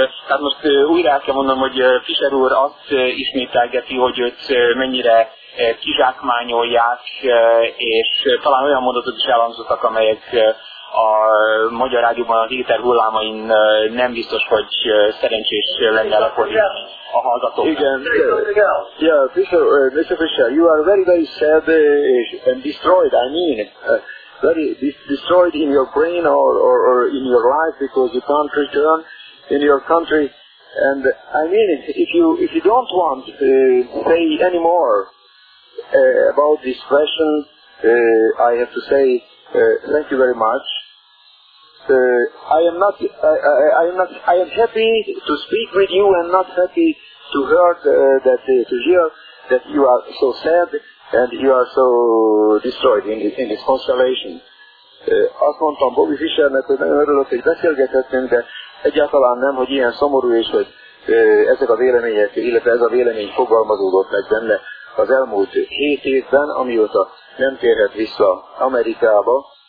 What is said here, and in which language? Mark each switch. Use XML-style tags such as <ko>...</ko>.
<hu>Tehát most újra el kell mondanom, hogy Fischer úr azt ismételgeti, hogy őt mennyire kizsákmányolják, és talán olyan mondatok is elhangzottak, amelyek a magyar rádióban az éter hullámain nem biztos, hogy szerencsés lenne lefordítani.</hu> <en>Again, Mr. Fischer, you are very, very sad and destroyed. I mean, very destroyed in your brain or in your life because you can't return in your country. And I mean, if you don't want to say any more about this question, I have to say thank you very much. I am happy to speak with you and not happy to hear that you are so sad and you are so destroyed in this constellation.</en> <hu>Azt mondtam Bobby Fischernek, hogy nagyon örülök, hogy beszélgethetünk, de egyáltalán nem, hogy ilyen szomorú és hogy ezek a vélemények, illetve ez a vélemény fogalmazódott meg benne az elmúlt 7 évben, amióta nem térhet vissza Amerikába.</hu>